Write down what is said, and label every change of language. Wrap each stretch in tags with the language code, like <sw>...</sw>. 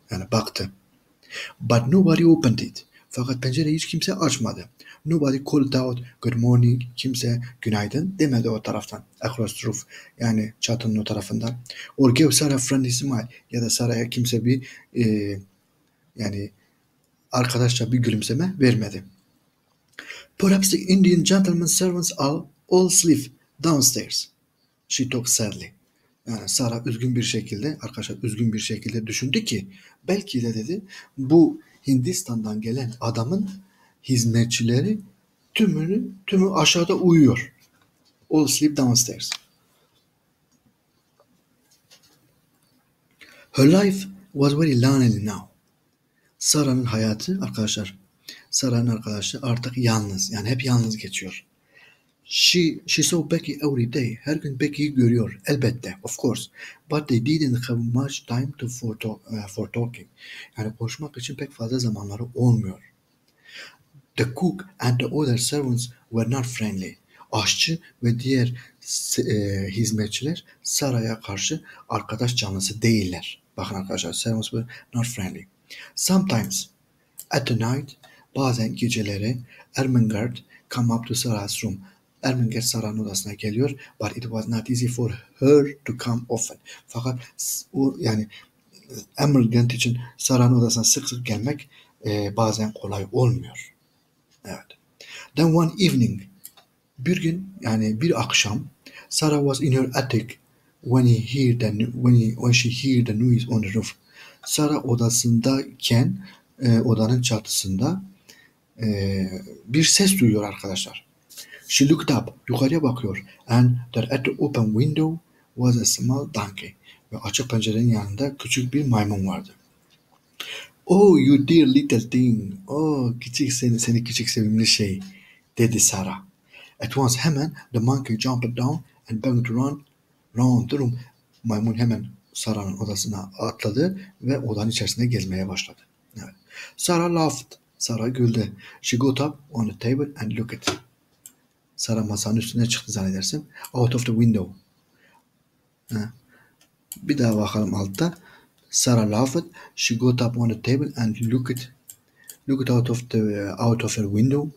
<tr>Yani baktı.</tr> <en>But nobody opened it.</en> <tr>Fakat pencereyi hiç kimse açmadı.</tr> <en>Nobody called out good morning.</en> <tr>Kimse günaydın demedi o taraftan.</tr> <en>Across the roof.</en> <tr>Yani çatının o tarafından.</tr> <en>Or gave Sarah a friendly smile.</en> <tr>Ya da Sarah'a kimse bir yani arkadaşça bir gülümseme vermedi.</tr> <en>Perhaps the Indian gentleman servants are all asleep downstairs. She talked sadly.</en> <tr>Yani Sarah üzgün bir şekilde, arkadaşlar üzgün bir şekilde düşündü ki belki de dedi bu Hindistan'dan gelen adamın hizmetçileri tümü aşağıda uyuyor.</tr> <en>All sleep downstairs. Her life was very lonely now.</en> <tr>Sarah'ın hayatı arkadaşlar, Sarah'ın arkadaşı artık yalnız, yani hep yalnız geçiyor.</tr> <en>She saw Becky every day.</en> <tr>Her gün Becky'yi görüyor. Elbette.</tr> <en>Of course. But they didn't have much time to for talking.</en> <tr>Yani konuşmak için pek fazla zamanları olmuyor.</tr> <en>The cook and the other servants were not friendly.</en> <tr>Aşçı ve diğer hizmetçiler Sarah'a karşı arkadaş canlısı değiller. Bakın arkadaşlar,</tr> <en>servants were not friendly. Sometimes at the night,</en> <tr>bazen geceleri</tr> <en>Ermengard come up to Sarah's room.</en> <tr>Ermengard Sarah'ın odasına geliyor.</tr> <en>But it was not easy for her to come often.</en> <tr>Fakat o, yani Ermengard için Sarah'ın odasına sık sık gelmek bazen kolay olmuyor. Evet.</tr> <en>Then one evening,</en> <tr>bir gün, yani bir akşam,</tr> <en>Sarah was in her attic when she heard the noise on the roof.</en> <tr>Sarah odasındayken, odanın çatısında bir ses duyuyor arkadaşlar.</tr> <en>She looked up,</en> <tr>yukarıya bakıyor,</tr> <en>and there at the open window was a small donkey.</en> <tr>Ve açık pencerenin yanında küçük bir maymun vardı.</tr> <en>Oh, you dear little thing.</en> <tr>Oh, küçük seni küçük sevimli şey, dedi Sarah.</tr> <en>At once,</en> <tr>hemen</tr> <en>the monkey jumped down and began to run round the room.</en> <tr>Maymun hemen Sarah'ın odasına atladı ve odanın içerisinde gezmeye başladı. Evet.</tr> <en>Sarah laughed.</en> <tr>Sarah güldü.</tr> <en>She got up on the table and looked.</en> <tr>Sarah masanın üstüne çıktı zannedersem.</tr> <en>Out of the window.</en> <tr>Bir daha bakalım altta.</tr> <en>Sarah laughed. She got up on the table and looked out of her window.</en>